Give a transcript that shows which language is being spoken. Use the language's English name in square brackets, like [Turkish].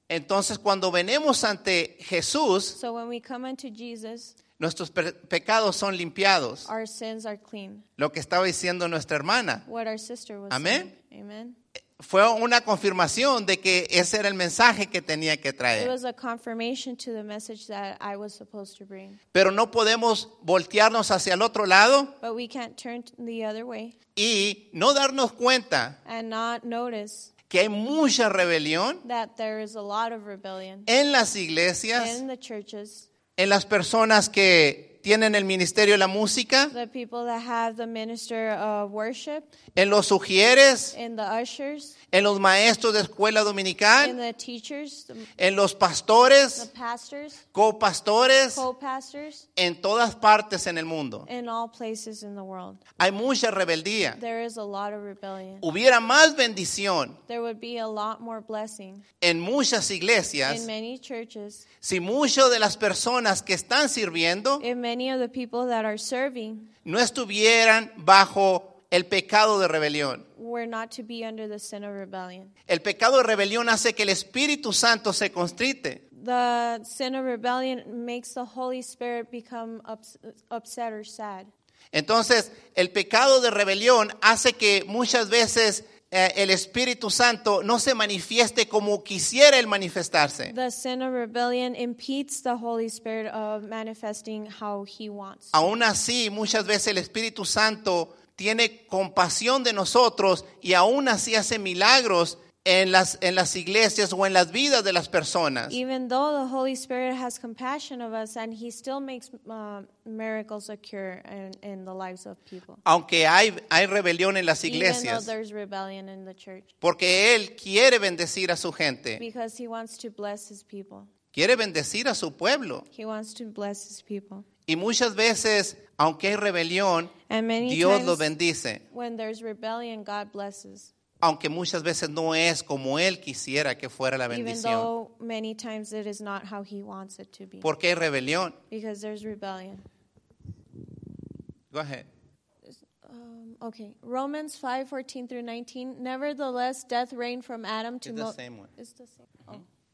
[Spanish] Entonces, cuando venimos ante Jesús, [English] so when we come unto Jesus, [Spanish] nuestros pecados son limpiados. [English] Our sins are clean. [Spanish] Lo que estaba diciendo nuestra hermana. [English] What our sister was saying. Amen. [Spanish] Fue una confirmación de que ese era el mensaje que tenía que traer. [English] It was a confirmation to the message that I was supposed to bring. [Spanish] Pero no podemos voltearnos hacia el otro lado. [English] But we can't turn the other way. [Spanish] Y no darnos cuenta. [English] And not notice. [Spanish] Que hay mucha rebelión. [English] That there is a lot of rebellion. [Spanish] En las iglesias. [English] In the churches. [Spanish] En las personas que tienen el ministerio de la música. [English] The people that have the minister of worship. [Spanish] En los sugieres. [English] In the ushers. [Spanish] En los maestros de escuela dominical. [English] In the teachers. [Spanish] En los pastores. [English] The pastors. [Spanish] Copastores. [English] Co-pastors. [Spanish] En todas partes en el mundo. [English] In all places in the world. [Spanish] Hay mucha rebeldía. [English] There is a lot of rebellion. [Spanish] Hubiera más bendición. [English] There would be a lot more blessing. [Spanish] En muchas iglesias. [English] In many churches. [Spanish] Si mucho de las personas que están sirviendo, [English] if many of the people that are serving, [Spanish] no estuvieran bajo el pecado de rebelión, [English] were not to be under the sin of rebellion. [Spanish] El pecado de rebelión hace que el Espíritu Santo se constrite. [English] the sin of rebellion makes the Holy Spirit become upset or sad. [Spanish] Entonces, el pecado de rebelión hace que muchas veces el Espíritu Santo no se manifieste como quisiera el manifestarse. [English] The sin of rebellion impedes the Holy Spirit of manifesting how he wants. [Spanish] Aún así, muchas veces el Espíritu Santo tiene compasión de nosotros y aún así hace milagros en las iglesias o en las vidas de las personas. [English] Even though the Holy Spirit has compassion of us and he still makes miracles occur in the lives of people. [Spanish] Aunque hay rebelión en las iglesias. [English] Even though there's rebellion in the church. [Spanish] Porque él quiere bendecir a su gente. [English] Because he wants to bless his people. [Spanish] Quiere bendecir a su pueblo. [English] He wants to bless his people. [Spanish] Y muchas veces, aunque hay rebelión, Dios lo bendice. [English] When there's rebellion, God blesses. [Spanish] Aunque muchas veces no es como él quisiera que fuera la bendición. [English] Even though many times it is not how he wants it to be. [Spanish] Porque hay rebelión. [English] Because there's rebellion. Go ahead. Okay. Romans 5:14 through 19. Nevertheless, death reigned from Adam to Moses. It's the same one. It's the same.